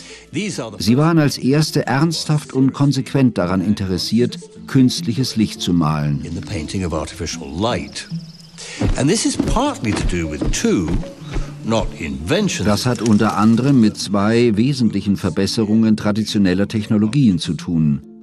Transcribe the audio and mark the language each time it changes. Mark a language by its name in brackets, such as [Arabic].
[German] Sie waren als Erste ernsthaft und konsequent daran interessiert, künstliches Licht zu malen. [English] In the painting of artificial light. And this is partly to do with two, not inventions. [German] Das hat unter anderem mit zwei wesentlichen Verbesserungen traditioneller Technologien zu tun.